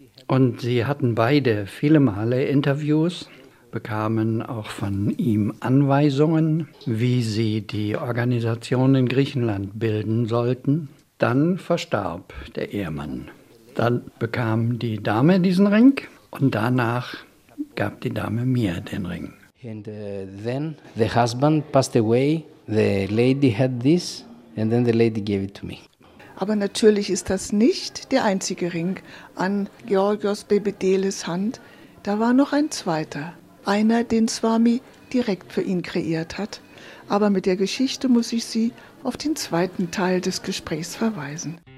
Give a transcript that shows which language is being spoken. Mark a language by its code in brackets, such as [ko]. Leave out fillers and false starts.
[de] Und sie hatten beide viele Male Interviews, bekamen auch von ihm Anweisungen, wie sie die Organisation in Griechenland bilden sollten. Dann verstarb der Ehemann. Dann bekam die Dame diesen Ring und danach gab die Dame mir den Ring. [en] And then the husband passed away, the lady had this, and then the lady gave it to me. [de] Aber natürlich ist das nicht der einzige Ring an Georgios Bebedeles Hand. Da war noch ein zweiter, einer, den Swami direkt für ihn kreiert hat. Aber mit der Geschichte muss ich Sie auf den zweiten Teil des Gesprächs verweisen.